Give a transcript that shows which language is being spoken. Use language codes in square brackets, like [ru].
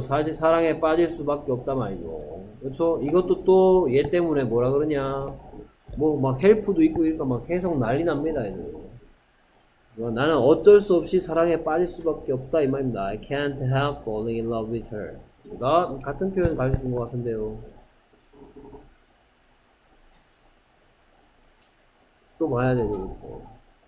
[ko] 사실 사랑에 빠질 수밖에 없다 말이죠. 그렇죠. 이것도 또 얘 때문에 뭐라 그러냐. 뭐 막 헬프도 있고 이러니까 막 해석 난리 납니다. 얘는. 나는 어쩔 수 없이 사랑에 빠질 수밖에 없다 이 말입니다. [en] I can't help falling in love with her. [ko] 제가 같은 표현 가르쳐 준 것 같은데요. 또 봐야 되죠. 그렇죠.